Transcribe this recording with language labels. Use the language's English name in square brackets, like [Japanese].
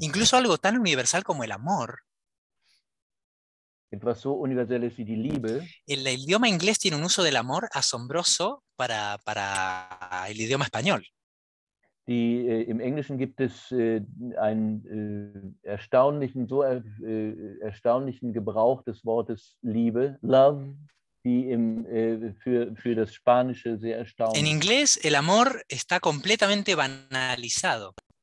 [Spanish] Incluso algo tan universal como el amor. [German] Etwas so universelles wie die Liebe. [Spanish] El idioma inglés tiene un uso del amor asombroso para, para el idioma español. [German] Die, im Englischen gibt es einen erstaunlichen, so erstaunlichen Gebrauch des Wortes Liebe, Love, die im, für das Spanische sehr erstaunlich. [Spanish] En inglés el amor está completamente banalizado.